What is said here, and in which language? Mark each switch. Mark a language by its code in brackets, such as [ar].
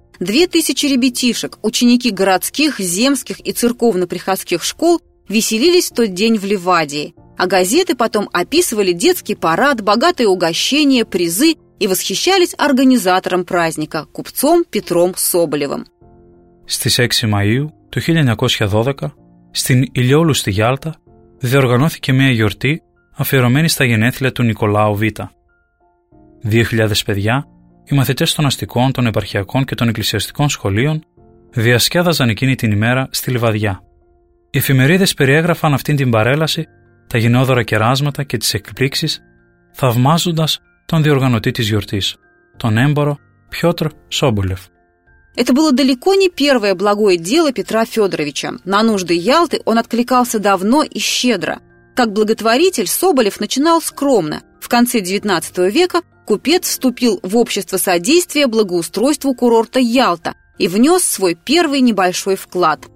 [ru] 2000 ребятишек, ученики городских, земских и церковно-приходских школ, веселились в тот день в Ливадии. А газеты потом описывали детский парад, богатые угощения, призы и восхищались организатором праздника, купцом Петром Соболевым. [el] Στις 6 Μαΐου του 1912, στην Ηλιόλουστη Γιάλτα, διοργανώθηκε μια γιορτή αφιερωμένη στα γενέθλια του Νικολάου Β. 2.000 παιδιά, οι μαθητές των αστικών, των επαρχιακών και των εκκλησιαστικών σχολείων, διασκέδαζαν εκείνη την ημέρα στη Λιβαδιά. Οι εφημερίδες περιέγραφαν αυτήν την παρέλαση, τα γενναιόδωρα κεράσματα και τις εκπλήξεις, θαυμάζοντας τον διοργανωτή της γιορτής, τον έμπορο Пётр Соболев. [ru] Это было далеко не первое благое дело Петра Федоровича. На нужды Ялты он откликался давно и щедро. Как благотворитель Соболев начинал скромно. В конце XIX века купец вступил в общество содействия благоустройству курорта Ялта и внес свой первый небольшой вклад.